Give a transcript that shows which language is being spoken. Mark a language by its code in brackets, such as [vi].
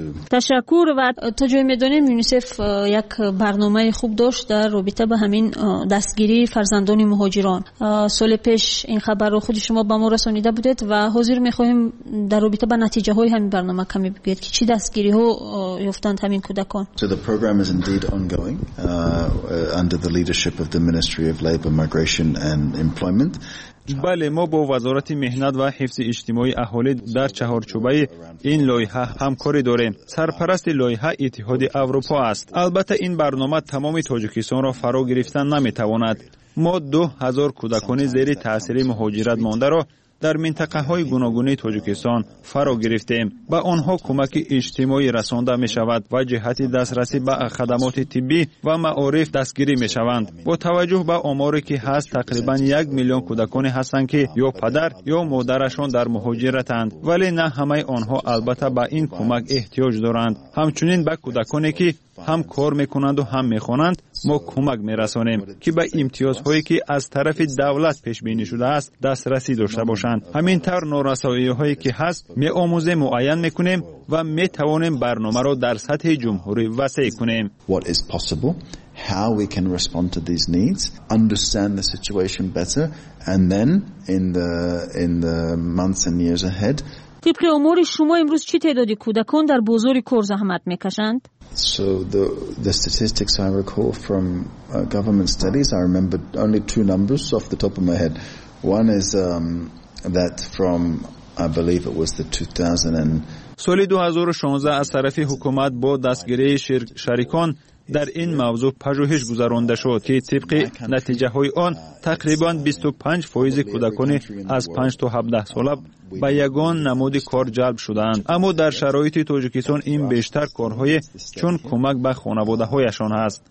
[fa] تشکر و تا جایی می دانیم یونیسف یک برنامه خوب داشت در رابطه به همین دستگیری فرزندان مهاجران. سال پیش این خبر رو خود شما به ما رسانیده بودید و حاضر می خواهیم در رابطه به نتیجه های همین برنامه کمی بگید که چی دستگیری ها یافتند همین کودکان. [en] So the program is indeed ongoing under the leadership of the Ministry of Labour, Migration and Employment. [fa] بله، ما با وزارت مهنت و حفظ اجتماعی اهالی در چهارچوبه این لایحه همکاری داریم. سرپرست لایحه اتحاد اروپا است. البته این برنامه تمام تاجیکستان را فرا گرفتن نمیتواند. ما 2000 کودکان زیر تاثیر مهاجرت مانده را در منطقه های گوناگون تاجیکستان فرا گرفتیم. با آنها کمک اجتماعی رسانده می شود و جهت دسترسی به خدمات طبی و معارف دستگیری می شوند. با توجه به آماری که هست، تقریبا 1 میلیون کودکان هستند که یا پدر یا مادرشان در مهاجرتند، ولی نه همه آنها البته به این کمک احتیاج دارند. همچنین به کودکانی که هم کار میکنند و هم میخوانند ما کمک میرسانیم که به امتیازهایی که از طرف دولت پیش بینی شده است دسترسی داشته باشند. همین طور نارسایی هایی که هست میآموزیم، معین میکنیم و میتوانیم برنامه را در سطح جمهوری وسیع کنیم. [en] What is possible, how we can respond to these needs, understand the situation better, and then in the months and years ahead. [fa] طبق امور شما امروز چی تعدادی کودکان در بازار کار زحمت میکشند؟ [en] So the statistics I recall from government studies, I remember only two numbers off the top of my head. One is that from, I believe it was the 2000 [fa] سال 2016 از طرف حکومت با دستگیری شریکان در این موضوع پژوهش گذرانده شد که طبق نتیجه های آن تقریبا 25% کودکان از 5 تا 17 ساله با یگان نمود کار جلب شدند. اما در شرایط تاجیکستان این بیشتر کارهای چون کمک به خانواده هایشان هست.